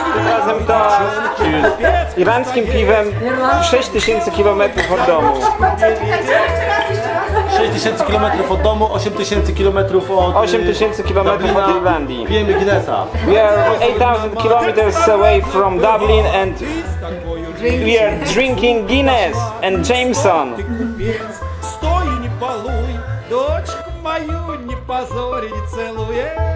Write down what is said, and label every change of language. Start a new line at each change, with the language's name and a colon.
Polish: Razem to z irlandzkim piwem 6 tysięcy kilometrów od domu. 6 tysięcy kilometrów od domu, 8 tysięcy kilometrów od... 8 tysięcy kilometrów od Irlandii. Pijemy Guinnessa.
English: We are 8,000 kilometers away from Dublin and we are drinking Guinness and Jameson. Stoj, nie paluj, doczku moją nie pozori, nie celuję.